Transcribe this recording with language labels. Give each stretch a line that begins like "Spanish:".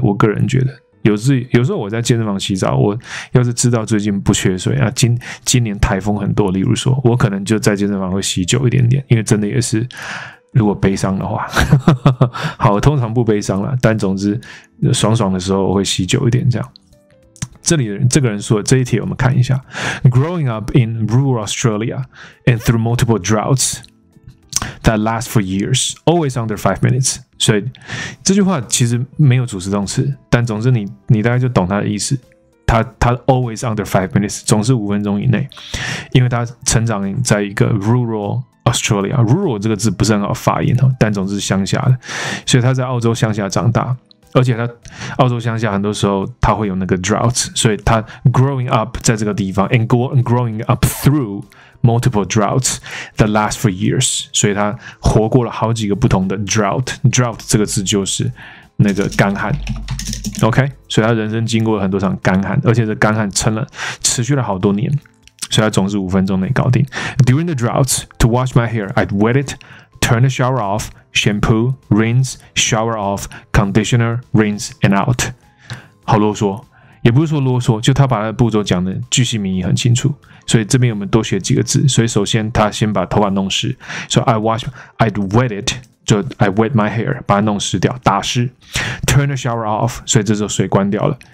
Chinese: 我个人觉得，有时候我在健身房洗澡，我要是知道最近不缺水啊，今年台风很多，例如说，我可能就在健身房会洗久一点点，因为真的也是，如果悲伤的话，好，通常不悲伤啦，但总之爽爽的时候我会洗久一点这样。这里这个人说的这一题我们看一下。
English: Growing up in rural Australia and through multiple droughts that last for years, always under 5 minutes.
Chinese: 所以这句话其实没有主词动词，但总之 你大概就懂他的意思。他
English: always under 5 minutes,
Chinese: 总是五分钟以内，因为他成长在一个 rural Australia。 Rural 这个字不是很好发音，但总之是乡下的，所以他在澳洲乡下长大，而且他澳洲乡下很多时候他会有那个 drought, 所以他 growing up 在这个地方
English: and growing up through multiple droughts that last for years,
Chinese: 所以他活过了好几个不同的 drought。 drought 这个字就是那个干旱， OK, 所以他人生经过了很多场干旱，而且这干旱持续了好多年，所以他总是五分钟内搞定。
English: During the droughts, to wash my hair, I'd wet it, turn the shower off, shampoo, rinse, shower off, conditioner, rinse and out.
Chinese: 好啰嗦，也不是说啰嗦，就他把他的步骤讲的句细名义很清楚。所以这边我们多学几个字。所以首先他先把头发弄湿，所以
English: I'd wet it,
Chinese: 就
English: I wet my hair,
Chinese: 把它弄湿掉，打湿。
English: Turn the shower off,
Chinese: 所以这时候水关掉了。